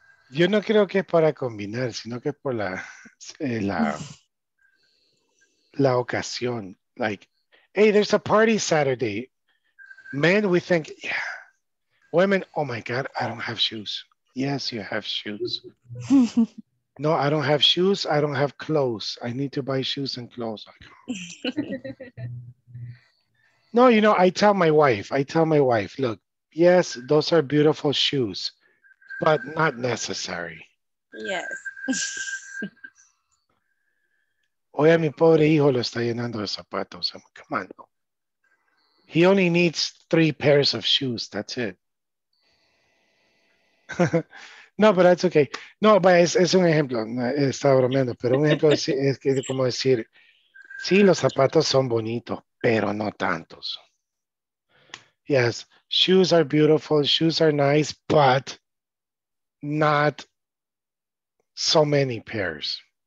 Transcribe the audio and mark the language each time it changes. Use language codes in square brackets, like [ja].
[es] Yo no creo que es para combinar, sino que es por la la ocasión. [en] Like, hey, there's a party Saturday. Men, we think, yeah. Women, oh my God, I don't have shoes. Yes, you have shoes. No, I don't have shoes. I don't have clothes. I need to buy shoes and clothes. No, you know, I tell my wife, look, yes, those are beautiful shoes, but not necessary. Yes. [es] Oye, mi pobre hijo lo está llenando de zapatos. [en] Come on. He only needs 3 pairs of shoes. That's it. No, but that's okay. No, but [es] es un ejemplo. Estaba bromeando, pero un ejemplo es que es como decir, sí, los zapatos son bonitos. Pero no tantos. [en] Yes, shoes are beautiful, shoes are nice, but not so many pairs.